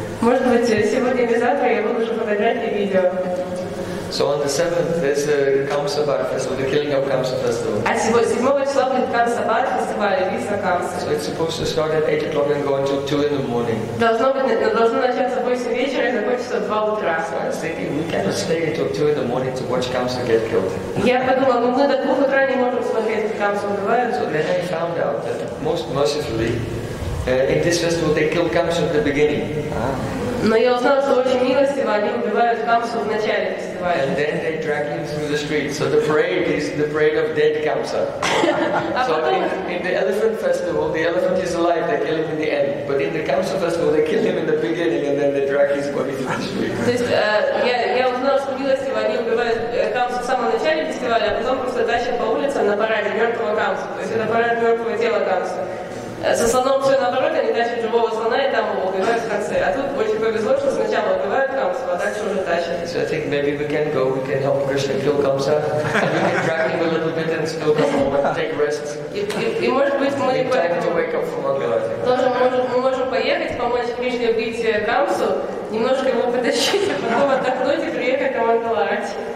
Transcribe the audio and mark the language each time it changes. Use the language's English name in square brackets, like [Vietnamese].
[Russian] Может быть, сегодня или завтра я выложу фотографии и видео. [English] So on the 7th there's a Kamsabad festival, the killing of Kamsa festival. [Russian] А сегодня 7 числа будет Kamsabad festival, убийство Камсы. [English] So it's supposed to start at 8 o'clock and go until 2 in the morning. [Russian] Должно начаться в 8 вечера и закончиться в 2 утра. [English] So I was thinking, we cannot stay until 2 in the morning to watch Kamsa get killed. [Russian] Я подумал, ну мы до 2 утра не можем смотреть, как Камсу убивают. [English] So then I found out that most mercifully. In this festival, they kill Kamsa at the beginning. [Russian] Но я узнал, что очень милостиво они убивают Камсу в начале фестиваля. [English] And then they drag him through the streets. So the parade is the parade of dead Kamsa. So in the elephant festival, the elephant is alive. They kill him in the end. But in the Kamsa festival, they kill him in the beginning, and then they drag his body through the streets. [Russian] То есть я узнал, что милостиво они убивают Камсу в самом начале фестиваля, а потом просто тащат по улице на параде мертвого Камсу. То есть это парад мертвого тела Камсу. Со слоном все наоборот, они тащат живого слона и там его убивают в конце. А тут очень повезло, что сначала убивают Камсу, а дальше уже тащат. [English] So I think maybe we can go, we can help Krishna kill Kamsa. We can drag him a little bit and still come home and take rest. [Russian] И может быть мы... [English] We have time to wake up from Angalati. [Russian] Тоже мы можем поехать, помочь Кришне убить Камсу, немножко его потащить, а потом отдохнуть и приехать в Ангаларати.